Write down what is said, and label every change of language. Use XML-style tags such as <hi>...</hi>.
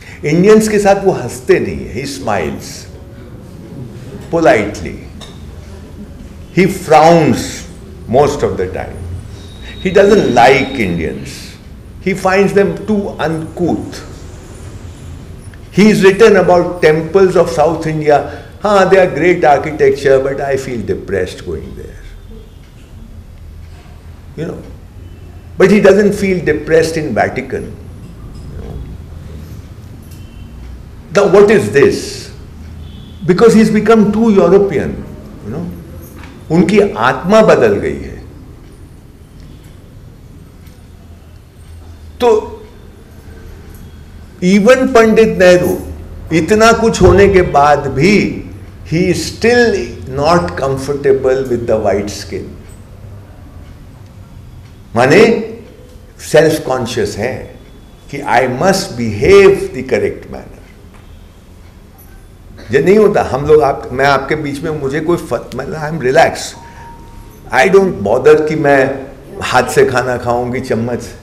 <hi>Indians के साथ वो हंसते नहीं है,</hi> <en>He smiles politely, he frowns most of the time, he doesn't like Indians, he finds them too uncouth. He is written about temples of South India, हाँ they are great architecture, but I feel depressed going there. You know, but he doesn't feel depressed in Vatican. Now, what is this? Because he's become too European. You know,</en> <hi>unki atma badal gayi hai.</hi> <en>So, even Pandit Nehru,</en> <hi>itna kuch hone ke baad bhi,</hi> <en>he is still not comfortable with the white skin.</en> <hi>माने self conscious है कि</hi> <en>I must behave the correct manner.</en> <hi>ये नहीं होता हम लोग आप, मैं आपके बीच में, मुझे कोई मतलब</hi> <en>I am relax, I don't bother</en> <hi>कि मैं हाथ से खाना खाऊंगी चम्मच.</hi>